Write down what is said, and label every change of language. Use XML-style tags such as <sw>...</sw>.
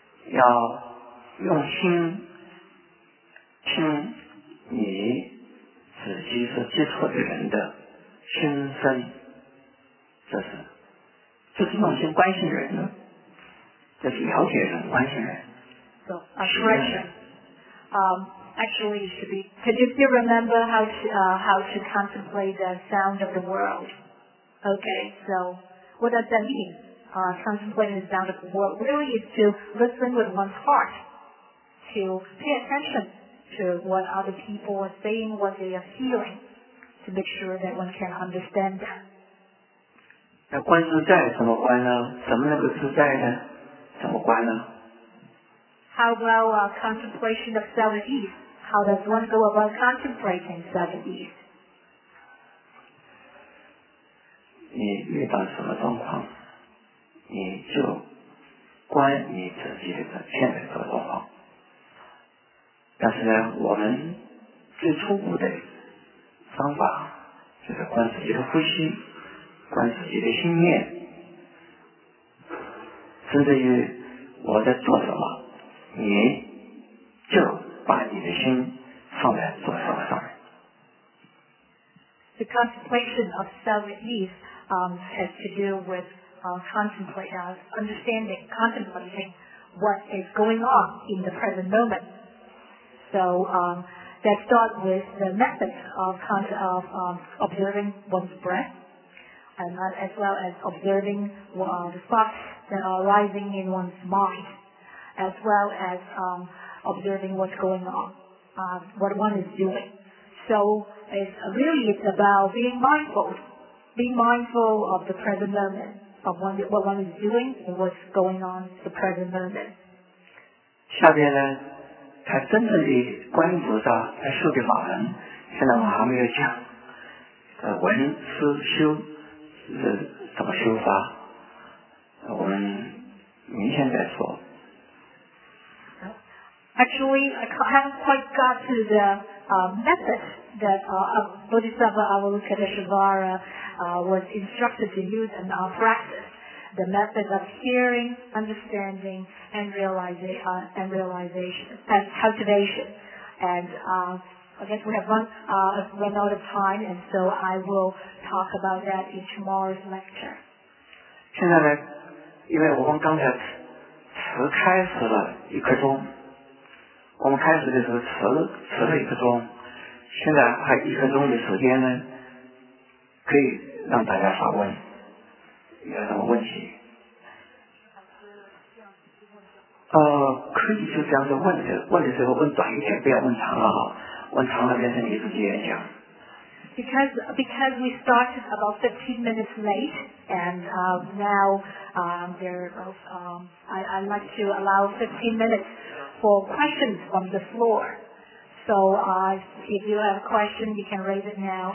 <zh>要用心听你自己所接触的人的心声，就是用心关心人的，就是了解人，关心人。</zh> <en>So, a question. Actually, can you still remember how to contemplate the sound of the world? Okay, so what does that mean? Contemplating the sound of the world really is to listen with one's heart, to pay attention to what other people are saying, what they are feeling, to make sure that one can understand that.</en> <zh>那观自在怎么观呢？怎么能够自在呢？怎么观呢？</zh> <en>How about contemplation of self-ease? How does one go about contemplating self-ease?</en> <zh>你遇到什么状况，你就观你自己的现在的状况。但是呢，我们最初步的方法就是观自己的呼吸，观自己的心念，甚至于我在做什么，你就把你的心放在做什么上面。</zh> <en>The contemplation of self-ease has to do with contemplating what is going on in the present moment. So let's start with the method of observing one's breath, and as well as observing the thoughts that are arising in one's mind, as well as observing what's going on, what one is doing. So it's about being mindful of the present moment, of what one is doing and what's going on in the present moment.</en> <zh>下面呢，他真正的观菩萨在修的法门，现在我还没有讲，闻思修是怎么修法，我们明天再说。</zh> <en>Actually, I haven't quite got to the method that Bodhisattva Avalokiteshvara was instructed to use in our practice. The method of hearing, understanding, and realization and cultivation. And I guess we have run out of time, and so I will talk about that in tomorrow's lecture.</en> <zh>现在呢，因为我们刚才词开始了一刻钟，我们开始的时候迟了一刻钟，现在还有一刻钟的时间呢，可以让大家发问，有什么问题？可以就这样子问，问的时候问短一点，不要问长了哈，问长了变成你自己演讲。</zh> <en>Because we started about 15 minutes late, and now there are I'd like to allow 15 minutes for questions from the floor. So if you have a question, you can raise it now.</en>